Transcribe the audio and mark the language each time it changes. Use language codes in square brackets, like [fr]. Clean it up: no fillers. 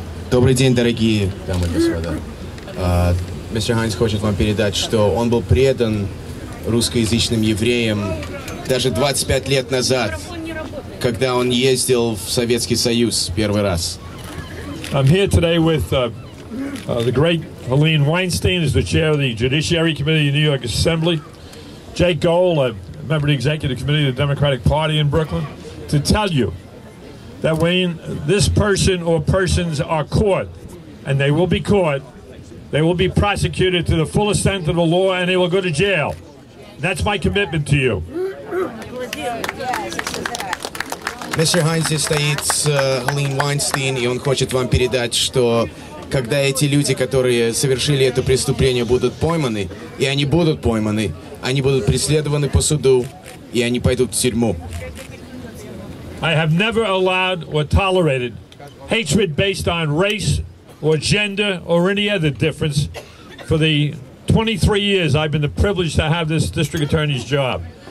[ru] Добрый день, дорогие дамы и господа. Мистер Хайнц хочет вам передать, что он был предан русскоязычным евреям даже 25 лет назад, когда он ездил в Советский Союз первый раз. [en] I'm here today with the great Helene Weinstein, who's the chair of the Judiciary Committee of the New York Assembly, Jake Gohl, a member of the Executive Committee of the Democratic Party in Brooklyn, to tell you that when this person or persons are caught, and they will be caught, they will be prosecuted to the fullest extent of the law, and they will go to jail. That's my commitment to you. [ru] Мистер Хайнц стоит с Helene Weinstein, и он хочет вам передать, что когда эти люди, которые совершили это преступление, будут пойманы, и они будут пойманы, они будут преследованы по суду, и они пойдут в тюрьму. [en] I have never allowed or tolerated hatred based on race or gender or any other difference for the 23 years I've been the privilege to have this district attorney's job.